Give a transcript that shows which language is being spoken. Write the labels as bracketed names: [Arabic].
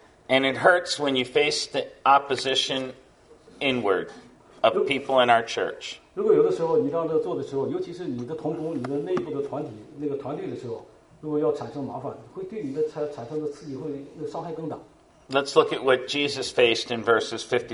[English] And it hurts when you face the opposition inward of people in our church. [Chinese] 如果有的时候你这样做的时候，尤其是你的同工、你的内部的团体那个团队的时候，如果要产生麻烦，会对你的产生的刺激会伤害更大。 [English] Let's look at what Jesus faced in verses